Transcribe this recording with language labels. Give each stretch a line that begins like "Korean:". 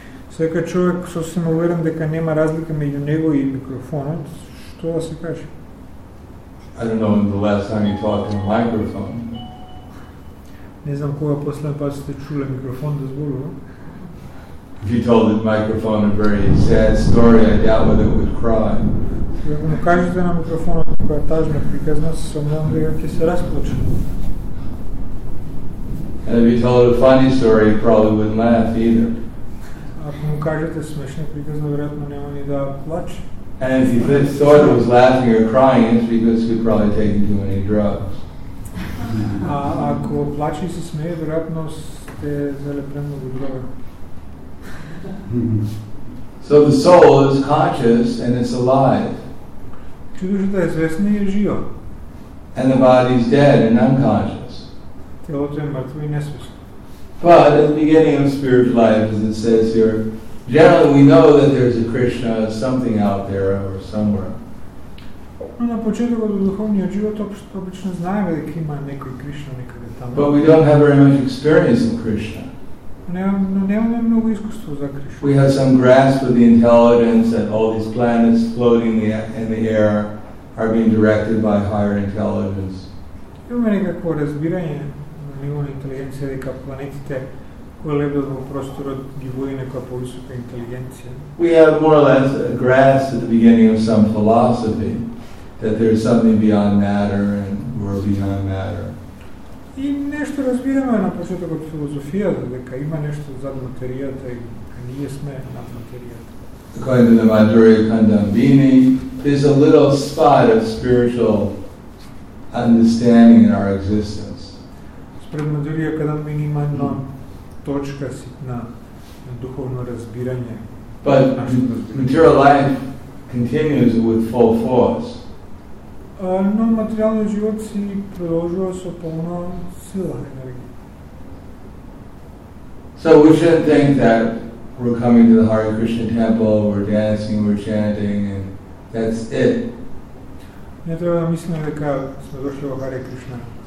Macedonian: Сека човек со сима уверен дека нема разлика меѓу него и микрофонот, што да се каже?
English: I don't know when the last time you talked in a microphone.
Macedonian: Не знам кога последен пат сте чуле микрофон да зборува.
English: If you told the microphone a very sad story, I doubt whether it would cry.
Macedonian: Ако му кажете на микрофонот некоја тажна приказна, се сомнам дека ќе се расплаче.
English: And if you told a funny story, he probably wouldn't laugh either.
Macedonian: Ако му кажете смешна приказна, веројатно нема ни да плаче.
English: And if you thought it was laughing or crying, it's because you've probably taken too many drugs.
Macedonian: Ако плаче и се смее, веројатно сте взели премногу дрога.
English: So the soul is conscious and it's alive.
Macedonian: Душата е свесна и жива.
English: And the body is dead and unconscious.
Macedonian: Телото е мртво и несвесно.
English: But at the beginning of spiritual life, as it says here, generally we know that there's a Krishna something out there or somewhere.
Macedonian: На почетокот од духовниот живот обично знаеме дека има некој Кришна некаде таму.
English: But we don't have very much experience of Krishna.
Macedonian: Немаме многу искуство за Кришна.
English: We have some grasp of the intelligence that all these planets floating in the air are being directed by higher intelligence.
Macedonian: Имаме некакво разбирање нивоа интелигенција дека планетите кои лебдат во просторот ги води некоја повисока интелигенција.
English: We have more or less a grasp at the beginning of some philosophy that there is something beyond matter and we're beyond matter.
Macedonian: И нешто разбираме на почетокот од философијата дека има нешто зад материјата и дека ние сме над материјата.
English: According to the Madhurya Kandambini, there's a little spot of spiritual understanding in our existence.
Macedonian: Пред Мадурија Кадамбини има една точка ситна на духовно разбирање.
English: But material life continues with full force.
Macedonian: Но материјалниот живот си продолжува со полна сила енергија.
English: So we shouldn't think that we're coming to the Hare Krishna temple, we're dancing, we're chanting, and that's it.
Macedonian: Не треба да мислиме дека сме дошли во Харе Кришна.